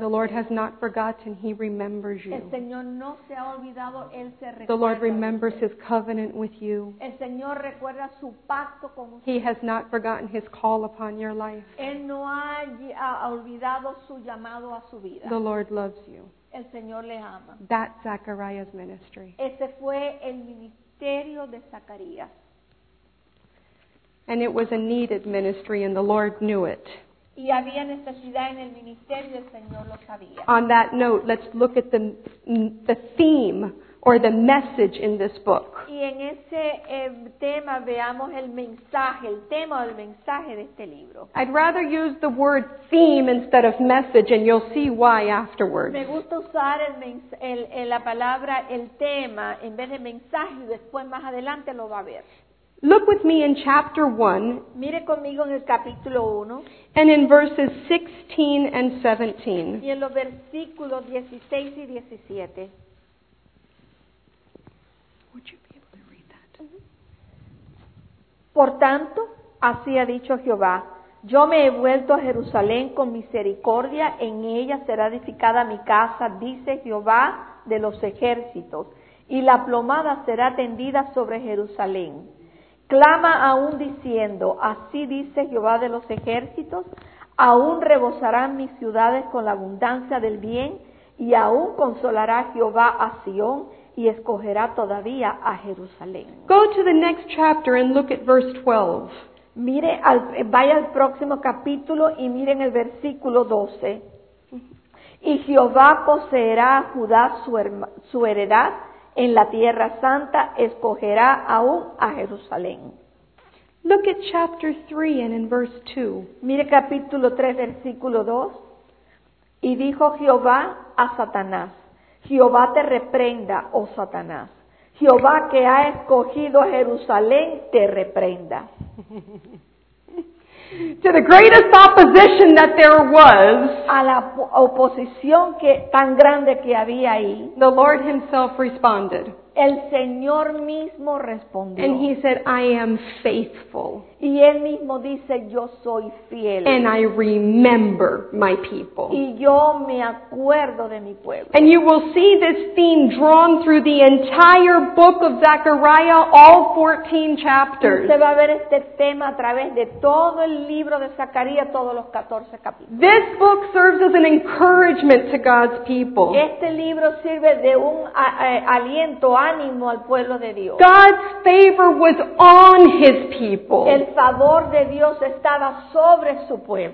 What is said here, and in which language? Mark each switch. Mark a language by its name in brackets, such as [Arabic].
[English] The Lord has not forgotten, He remembers you. [Spanish] El Señor no se ha olvidado, Él se recuerda. [English] The Lord remembers His covenant with you. [Spanish] El Señor recuerda su pacto con usted. [English] He has not forgotten His call upon your life. [Spanish] Él no ha olvidado su llamado a su vida. [English] The Lord loves you. [Spanish] El Señor le ama. [English] That's Zechariah's ministry. [Spanish] Ese fue el ministerio de Zacarías. [English] And it was a needed ministry, and the Lord knew it. [Spanish] Y había necesidad en el ministerio, el Señor lo sabía. [English] On that note, let's look at the theme or the message in this book. [Spanish] Y en ese tema veamos el mensaje, el tema del mensaje de este libro. [English] I'd rather use the word theme instead of message, and you'll see why afterwards. [Spanish] Me gusta usar la palabra el tema en vez de mensaje, después más adelante lo va a ver. [English] Look with me in chapter 1. [Spanish] Mire conmigo en el capítulo 1. [English] And in verses 16 and 17. [Spanish] Y en los versículos 16 y 17. [English] Would you be able to read that? [Spanish] Por tanto, así ha dicho Jehová, yo me he vuelto a Jerusalén con misericordia, en ella será edificada mi casa, dice Jehová de los ejércitos, y la plomada será tendida sobre Jerusalén. Clama aún diciendo, así dice Jehová de los ejércitos, aún rebosarán mis ciudades con la abundancia del bien, y aún consolará Jehová a Sion, y escogerá todavía a Jerusalén. [English] Go to the next chapter and look at verse 12. [Spanish] Mire, vaya al próximo capítulo y mire en el versículo 12. Y Jehová poseerá a Judá su heredad, en la tierra santa escogerá aún a Jerusalén. [English] Look at chapter 3 and in verse 2. [Spanish] Mire capítulo 3, versículo 2. Y dijo Jehová a Satanás, Jehová te reprenda, oh Satanás. Jehová que ha escogido a Jerusalén, te reprenda. [English] To the greatest opposition that there was, [Spanish] a la oposición que tan grande que había ahí, [English] the Lord himself responded. [Spanish] El Señor mismo respondió. [English] And he said, I am faithful. [Spanish] Y él mismo dice, yo soy fiel. [English] And I remember my people. [Spanish] Y yo me acuerdo de mi pueblo. [English] And you will see this theme drawn through the entire book of Zechariah, all 14 chapters. [Spanish] Y se va a ver este tema a través de todo el libro de Zacarías, todos los 14 capítulos. [English] This book serves as an encouragement to God's people. [Spanish] Este libro sirve de un aliento, ánimo al pueblo de Dios. [English] God's favor was on his people. [Spanish] El favor de Dios estaba sobre su pueblo.